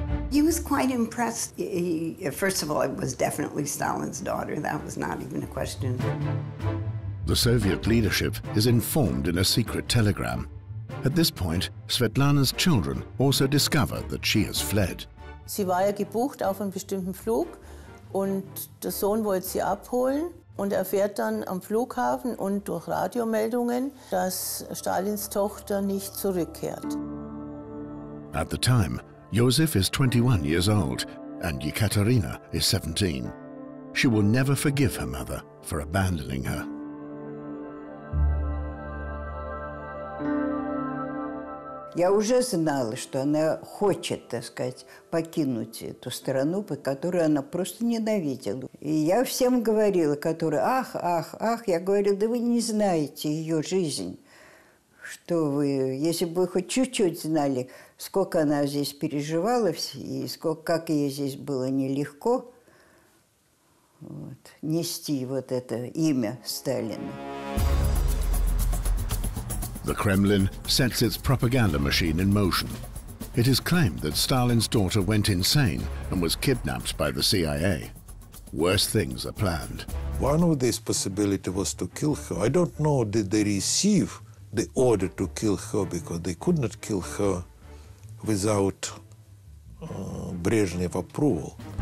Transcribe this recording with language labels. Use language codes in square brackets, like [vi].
[en] He was quite impressed. First of all, it was definitely Stalin's daughter. That was not even a question. The Soviet leadership is informed in a secret telegram. At this point, Svetlana's children also discover that she has fled. [de] Sie war ja gebucht auf einen bestimmten Flug. Und der Sohn wollte sie abholen und erfährt dann am Flughafen und durch Radiomeldungen, dass Stalins Tochter nicht zurückkehrt. [en] At the time, Josef is 21 years old and Ekaterina is 17. She will never forgive her mother for abandoning her. [ru] Я уже знала, что она хочет, так сказать, покинуть эту страну, которую она просто ненавидела. И я всем говорила, которые, ах, ах, ах, я говорю, да вы не знаете ее жизнь. Что вы, если бы вы хоть чуть-чуть знали, сколько она здесь переживала, и сколько, как ей здесь было нелегко вот, нести вот это имя Сталина. [en] The Kremlin sets its propaganda machine in motion. It is claimed that Stalin's daughter went insane and was kidnapped by the CIA. Worse things are planned. One of these possibilities was to kill her. I don't know, did they receive the order to kill her, because they could not kill her without Brezhnev approval.